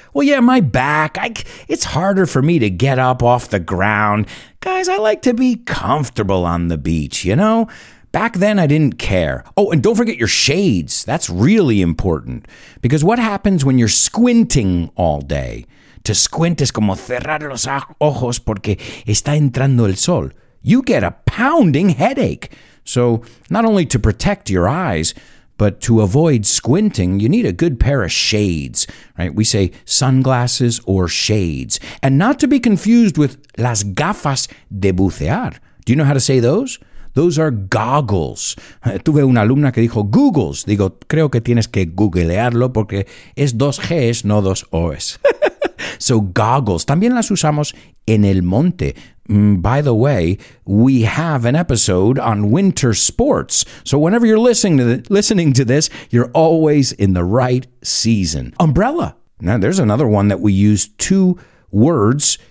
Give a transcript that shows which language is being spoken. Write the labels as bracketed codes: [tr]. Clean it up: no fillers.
[en] Well, yeah, my back, it's harder for me to get up off the ground. Guys, I like to be comfortable on the beach, you know? Back then I didn't care. Oh, and don't forget your shades. That's really important. Because what happens when you're squinting all day? To squint is [es] como cerrar los ojos porque está entrando el sol. [en] You get a pounding headache. So, not only to protect your eyes, but to avoid squinting, you need a good pair of shades, right? We say sunglasses or shades. And not to be confused with [es] las gafas de bucear. [en] Do you know how to say those? Those are goggles. [es] Tuve una alumna que dijo, googles. Digo, creo que tienes que googlearlo porque es dos Gs, no dos Os. [en] So, goggles. [es] También las usamos en el monte. [en] By the way, we have an episode on winter sports. So whenever you're listening to this, you're always in the right season. Umbrella. Now, there's another one that we use two words.